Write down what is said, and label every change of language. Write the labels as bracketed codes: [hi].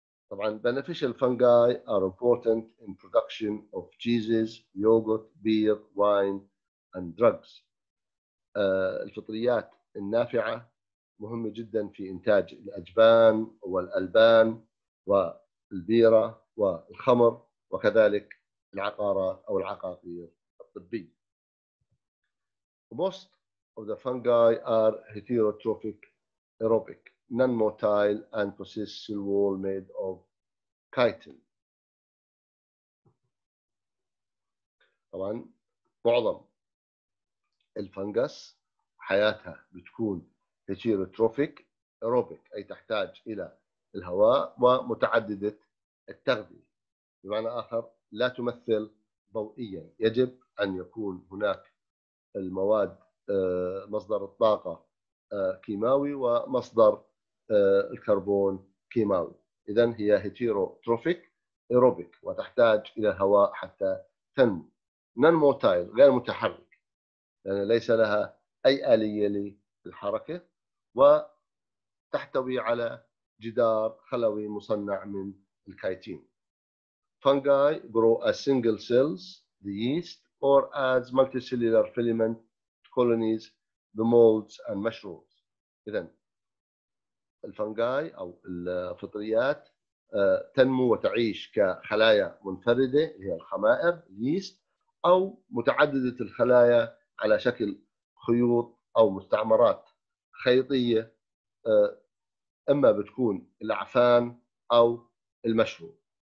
[en] طبعاً beneficial fungi are important in production of cheeses, yogurt, beer, wine and drugs. [ar] الفطريات النافعة مهمة جداً في إنتاج الأجبان والألبان والبيرة والخمر وكذلك العقارة أو العقاقير الطبية. [en] Most of the fungi are heterotrophic, aerobic, non-motile and possess cell wall made of chitin. [ar] طبعاً معظم الفنجس حياتها بتكون heterotrophic, aerobic أي تحتاج إلى الهواء ومتعددة التغذية، بمعنى آخر لا تمثل ضوئياً، يجب أن يكون هناك المواد مصدر الطاقة كيماوي ومصدر الكربون كيماوي. إذن هي heterotrophic, aerobic وتحتاج إلى الهواء حتى تنمو. Non-motile غير متحرك، لأن ليس لها أي آلية للحركة، وتحتوي على جدار خلوي مصنع من الكيتين. [en] Fungi grow as single cells, the yeast, or as multicellular filament colonies, the molds and mushrooms. [ar] إذن الفنجاي أو الفطريات تنمو وتعيش كخلايا منفردة هي الخمائر yeast، أو متعددة الخلايا على شكل خيوط أو مستعمرات خيطية، إما بتكون العفان أو المشروم.